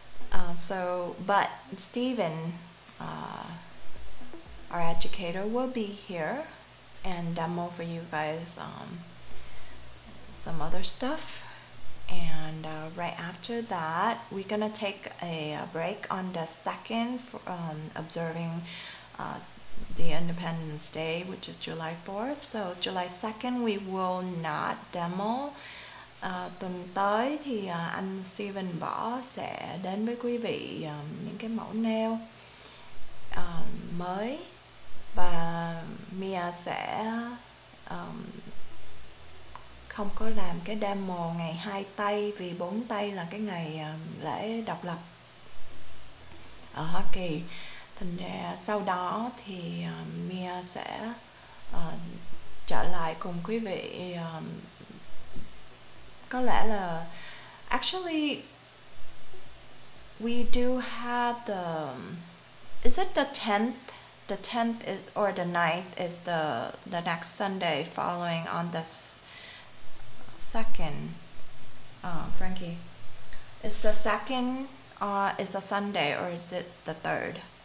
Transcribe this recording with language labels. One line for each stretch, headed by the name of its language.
English: But Stephen, our educator, will be here and demo for you guys some other stuff. And right after that, we're gonna take a break on the second for observing the Independence Day, which is July 4th. So July 2nd, we will not demo.
Vietnamese: Tuần tới thì anh Steven Bỏ sẽ đến với quý vị những cái mẫu nail mới, và Mia sẽ không có làm cái demo ngày hai tay, vì bốn tay là cái ngày lễ độc lập ở Hoa Kỳ. Thành ra sau đó thì Mia sẽ trở lại cùng quý vị, có lẽ là
English: actually we do have the, is it the 10th? The 10th is, or the 9th is the next Sunday following on this second. Frankie, is the second is a Sunday or is it the 3rd?